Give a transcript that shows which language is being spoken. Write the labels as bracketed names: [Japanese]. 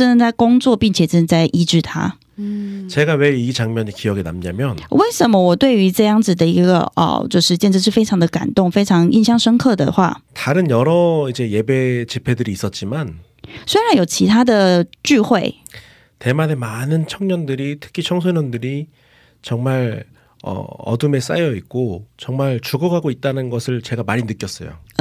[Chinese] 那时候她也是哭着祷告，然后并且我也是感受到，原来现在圣灵就正在工作，并且正在医治她。 [Korean] 제가 왜 이 장면이 기억에 남냐면 [Chinese] 为什么我对于这样子的一个哦就是见证是非常的感动非常印象深刻的话 [Korean] 다른 여러 이제 예배 집회들이 있었지만 [Chinese] 虽然有其他的聚会 [Korean] 대만의 많은 청년들이 특히 청소년들이 정말 어둠에 쌓여 있고 정말 죽어가고 있다는 것을 제가 많이 느꼈어요.